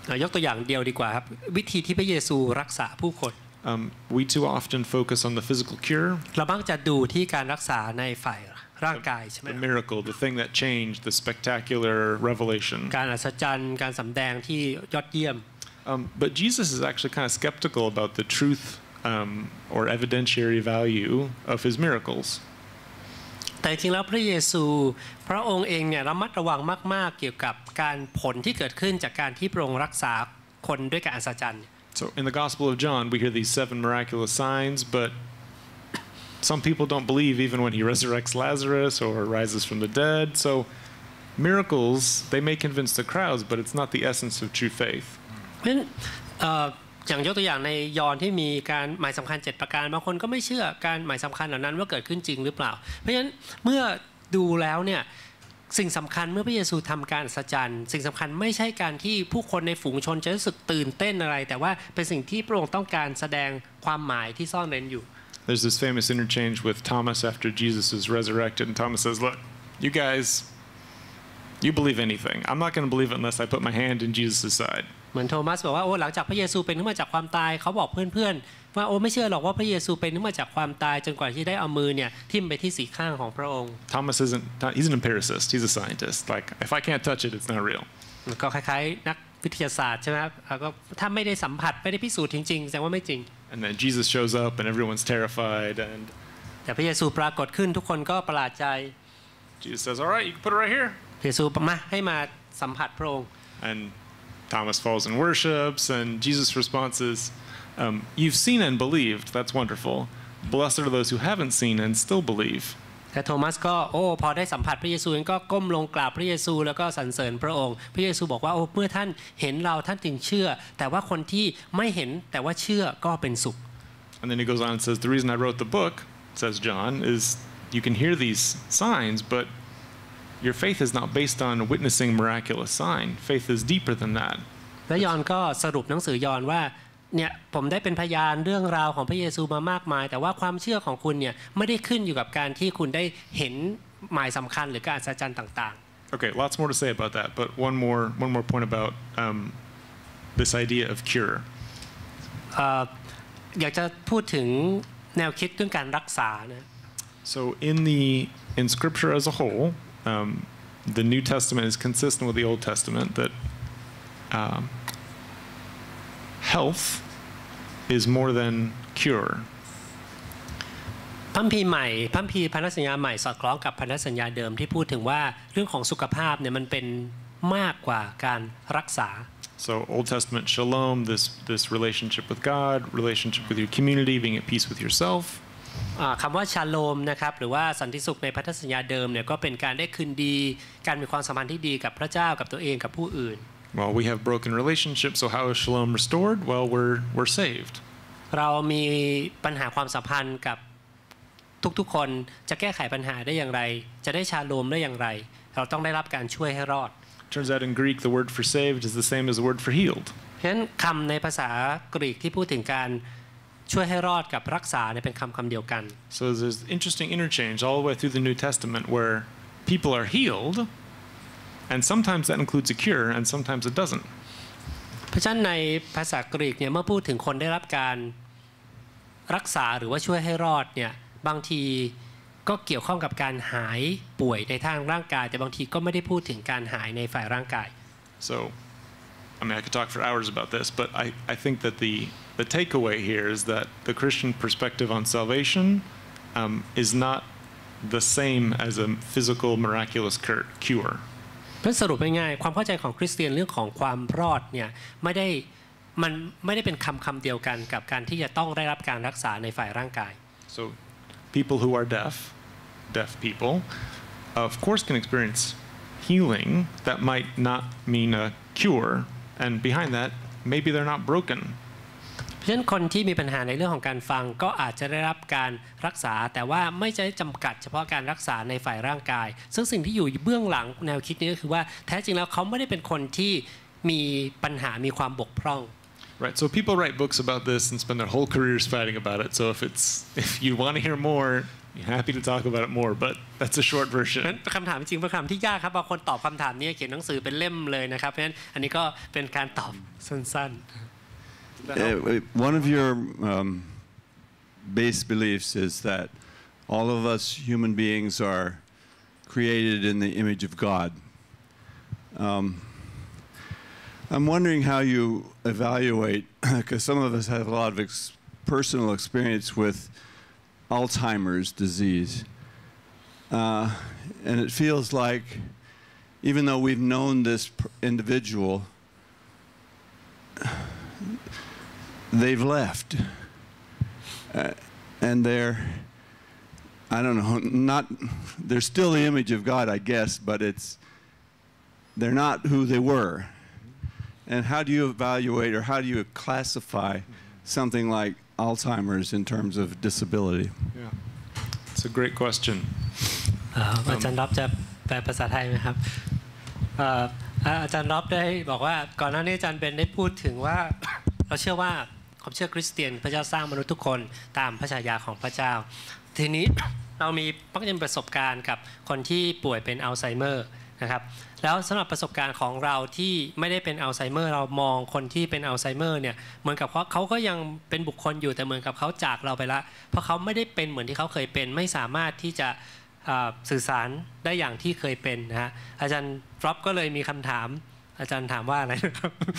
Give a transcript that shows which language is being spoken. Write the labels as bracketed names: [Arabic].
[Thai] ยกตัวอย่างเดียวดีกว่าครับวิธีที่พระเยซูรักษาผู้คน [English] We too often focus on the physical cure. [Thai] เรามักจะดูที่การรักษาในฝ่ายร่างกายใช่ไหม [English] The miracle, the thing that changed, the spectacular revelation. [Thai] การอัศจรรย์การสำแดงที่ยอดเยี่ยม [English] But Jesus is actually kind of skeptical about the truth or evidentiary value of his miracles. [Thai] แต่จริงแล้วพระเยซูพระองค์เองเนี่ยระมัดระวังมากๆเกี่ยวกับการผลที่เกิดขึ้นจากการที่พระองค์รักษาคนด้วยการอัศจรรย์ [English] So in the Gospel of John we hear these seven miraculous signs but some people don't believe even when he resurrects Lazarus or rises from the dead so miracles they may convince the crowds but it's not the essence of true faith [Thai] เพราะอย่างยกตัวอย่างในยอห์นที่มีการหมายสำคัญ7ประการบางคนก็ไม่เชื่อการหมายสำคัญเหล่านั้นว่าเกิดขึ้นจริงหรือเปล่าเพราะฉะนั้นเมื่อดูแล้วเนี่ยสิ่งสำคัญเมื่อพระเยซูทำการอัศจรรย์สิ่งสำคัญไม่ใช่การที่ผู้คนในฝูงชนจะรู้สึกตื่นเต้นอะไรแต่ว่าเป็นสิ่งที่พระองค์ต้องการแสดงความหมายที่ซ่อนเร้นอยู่ [English] There's this famous interchange with Thomas after Jesus is resurrected and Thomas says look you guys you believe anything I'm not going to believe it unless I put my hand in Jesus' side [Thai] เหมือนโทมัสบอกว่าโอ้หลังจากพระเยซูเป็นขึ้นมาจากความตายเขาบอกเพื่อนๆว่าโอ้ไม่เชื่อหรอกว่าพระเยซูเป็นขึ้นมาจากความตายจนกว่าที่ได้เอามือเนี่ยทิ่มไปที่สีข้างของพระองค์ [English] Thomas isn't he's an empiricist he's a scientist like if I can't touch it it's not real [Thai] ก็คล้ายๆนักวิทยาศาสตร์ใช่ไหมครับก็ถ้าไม่ได้สัมผัสไม่ได้พิสูจน์จริงๆแสดงว่าไม่จริง [English] And then Jesus shows up and everyone's terrified and [Thai] แต่พระเยซูปรากฏขึ้นทุกคนก็ประหลาดใจ [English] Jesus says all right you can put it right here [Thai] พระเยซูมาให้มาสัมผัสพระองค์ [English] andThomas falls and worships, and Jesus' response is, "You've seen and believed. That's wonderful. Blessed are those who haven't seen and still believe." [Thai] แต่โทมัสก็โอ้พอได้สัมผัสพระเยซูก็ก้มลงกราบพระเยซูแล้วก็สรรเสริญพระองค์พระเยซูบอกว่าโอ้เมื่อท่านเห็นเราท่านจึงเชื่อแต่ว่าคนที่ไม่เห็นแต่ว่าเชื่อก็เป็นสุข [English] And then he goes on and says, "The reason I wrote the book," says John, "is you can hear these signs, but." Your faith is not based on witnessing miraculous sign. Faith is deeper than that. [Thai] และยอห์นก็สรุปหนังสือยอห์นว่าเนี่ยผมได้เป็นพยานเรื่องราวของพระเยซูมามากมายแต่ว่าความเชื่อของคุณเนี่ยไม่ได้ขึ้นอยู่กับการที่คุณได้เห็นหมายสำคัญหรือการอัศจรรย์ต่าง [English] ๆ Okay, lots more to say about that, but one more point about this idea of cure. [Thai] อยากจะพูดถึงแนวคิดเรื่องการรักษานะ [English] So in scripture as a whole,the New Testament is consistent with the Old Testament that health is more than cure. [Thai] พันธสัญญาใหม่พันธีพันธสัญญาใหม่สอดคล้องกับพันธสัญญาเดิมที่พูดถึงว่าเรื่องของสุขภาพเนี่ยมันเป็นมากกว่าการรักษา [English] So Old Testament Shalom this relationship with God relationship with your community being at peace with yourself [Thai] คำว่าชาโลมนะครับหรือว่าสันติสุขในพันธสัญญาเดิมเนี่ยก็เป็นการได้คืนดีการมีความสัมพันธ์ที่ดีกับพระเจ้ากับตัวเองกับผู้อื่น [English] Well we have broken relationship so how is shalom restored well we're saved [Thai] เรามีปัญหาความสัมพันธ์กับทุกๆคนจะแก้ไขปัญหาได้อย่างไรจะได้ชาโลมได้อย่างไรเราต้องได้รับการช่วยให้รอด [English] Turns out in Greek the word for saved is the same as the word for healed [Thai] เพราะฉะนั้นคำในภาษากรีกที่พูดถึงการช่วยให้รอดกับรักษาเนี่ยเป็นคำเดียวกัน [English] So there's interesting interchange all the way through the New Testament where people are healed and sometimes that includes a cure and sometimes it doesn't [Thai] เพราะฉะนั้นในภาษากรีกเนี่ยเมื่อพูดถึงคนได้รับการรักษาหรือว่าช่วยให้รอดเนี่ยบางทีก็เกี่ยวข้องกับการหายป่วยในทางร่างกายแต่บางทีก็ไม่ได้พูดถึงการหายในฝ่ายร่างกาย [English] So I mean I could talk for hours about this but I think that the takeaway here is that the Christian perspective on salvation is not the same as a physical miraculous cure [Thai] เพื่อสรุปง่ายๆความเข้าใจของคริสเตียนเรื่องของความรอดเนี่ยไม่ได้เป็นคำเดียวกันกับการที่จะต้องได้รับการรักษาในฝ่ายร่างกาย [English] So people who are deaf people of course can experience healing that might not mean a cure and behind that maybe they're not broken [Thai] เพราะฉะนั้นคนที่มีปัญหาในเรื่องของการฟังก็อาจจะได้รับการรักษาแต่ว่าไม่ใช่จำกัดเฉพาะการรักษาในฝ่ายร่างกายซึ่งสิ่งที่อยู่เบื้องหลังแนวคิดนี้ก็คือว่าแท้จริงแล้วเขาไม่ได้เป็นคนที่มีปัญหามีความบกพร่อง [English] Right so people write books about this and spend their whole careers fighting about it so if you want to hear more you're happy to talk about it more but that's a short version [Thai] คำถามจริงเป็นคำที่ยากครับบางคนตอบคำถามนี้เขียนหนังสือเป็นเล่มเลยนะครับเพราะฉะนั้นอันนี้ก็เป็นการตอบสั้นๆ [English] one of your base beliefs is that all of us human beings are created in the image of God I'm wondering how you evaluate, because some of us have a lot of personal experience with Alzheimer's disease. And it feels like, even though we've known this individual, they've left. And they're still the image of God, I guess, but they're not who they were. And how do you evaluate or how do you classify something like Alzheimer's in terms of disability? Yeah, it's a great question. [Thai] อาจารย์รอบจะแปลภาษาไทยไหมครับอาจารย์รอบได้บอกว่าก่อนหน้านี้อาจารย์เบนได้พูดถึงว่าเราเชื่อว่าผมเชื่อคริสเตียนพระเจ้าสร้างมนุษย์ทุกคนตามพระฉายาของพระเจ้า ทีนี้เรามีมักจะมีประสบการณ์กับคนที่ป่วยเป็นอัลไซเมอร์นะครับแล้วสำหรับประสบการณ์ของเราที่ไม่ได้เป็นอัลไซเมอร์เรามองคนที่เป็นอัลไซเมอร์เนี่ยเหมือนกับเขาก็ยังเป็นบุคคลอยู่แต่เหมือนกับเขาจากเราไปละเพราะเขาไม่ได้เป็นเหมือนที่เขาเคยเป็นไม่สามารถที่จะสื่อสารได้อย่างที่เคยเป็นนะฮะอาจารย์ฟรอปก็เลยมีคำถามอาจารย์ถามว่าอะไรครับ